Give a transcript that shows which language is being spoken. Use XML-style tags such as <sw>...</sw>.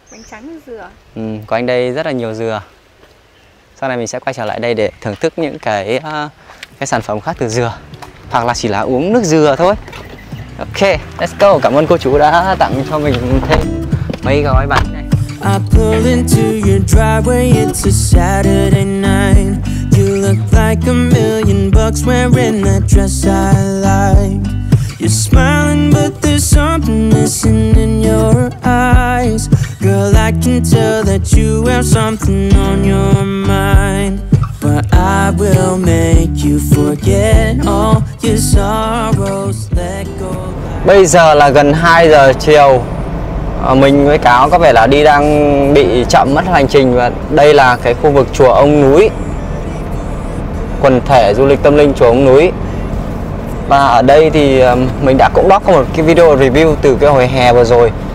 <vi>Bánh tráng dừa. Có anh đây rất là nhiều dừa. Sau này mình sẽ quay trở lại đây để thưởng thức những cái sản phẩm khác từ dừa. Hoặc là chỉ là uống nước dừa thôi.</vi> <en>Ok, let's go.</en> <vi>Cảm ơn cô chú đã tặng cho mình thêm mấy gói bánh này.</vi> <en>I pull into your driveway, it's a Saturday night. You look like a million bucks wearing that dress I like. You're smiling but there's something missing in your eyes. Girl, I can tell that you have something on your mind. But I will make you forget all your sorrows, let go.</en> <vi>Bây giờ là gần 2 giờ chiều. Mình với cáo có vẻ là đi đang bị chậm mất hành trình. Và đây là cái khu vực chùa Ông Núi, quần thể du lịch tâm linh chùa Ông Núi. Và ở đây thì mình đã cũng đóng một cái video review từ cái hồi hè vừa rồi.</vi>